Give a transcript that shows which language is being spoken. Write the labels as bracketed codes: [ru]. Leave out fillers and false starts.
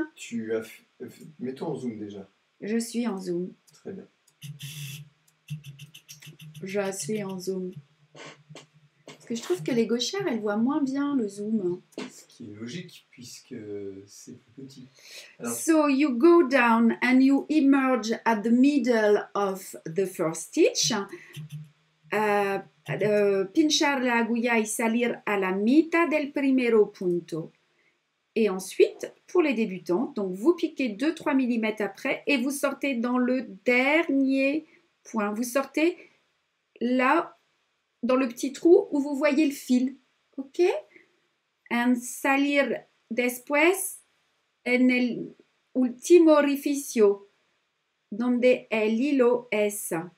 [fr] Tu as fait... Mets-toi en zoom déjà. Je suis en zoom. Très bien. Je suis en zoom. Parce que je trouve que les gauchères, elles voient moins bien le zoom. Ce qui est logique, puisque c'est plus petit. Alors... [en] So, you go down and you emerge at the middle of the first stitch. [es] Pinchar la aguja y salir a la mitad del primero punto. [fr] Et ensuite, pour les débutants, donc vous piquez 2-3 mm après et vous sortez dans le dernier point. Vous sortez là, dans le petit trou où vous voyez le fil. [es] Ok? And salir después en el último orificio donde el hilo es.